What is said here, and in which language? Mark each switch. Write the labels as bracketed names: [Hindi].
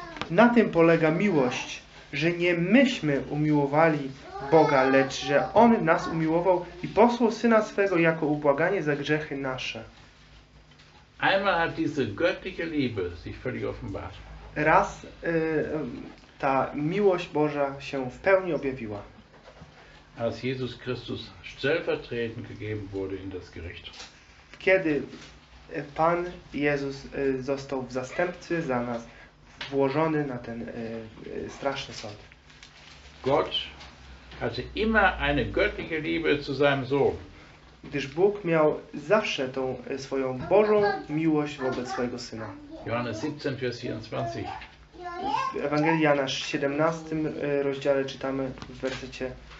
[Polish] Na tym polega miłość, że nie myśmy umiłowali Boga, lecz że On nas umiłował i posłał Syna swego jako ubłaganie za grzechy nasze. [German] Einmal hat diese göttliche Liebe sich völlig offenbart. [Polish] Raz ta miłość Boża się w pełni objawiła. [German] Als Jesus Christus stellvertretend gegeben wurde in das Gericht. [Polish] Kiedy Pan Jezus został w zastępcy za nas włożony na ten straszny sąd. [German] Gott hatte immer eine göttliche Liebe zu seinem Sohn. [Polish] Gdyż Bóg miał zawsze tą swoją Bożą miłość wobec swojego Syna. [German] Johannes 17, Vers 24. [Polish] W Ewangelii Jana 17 rozdziale czytamy w wersecie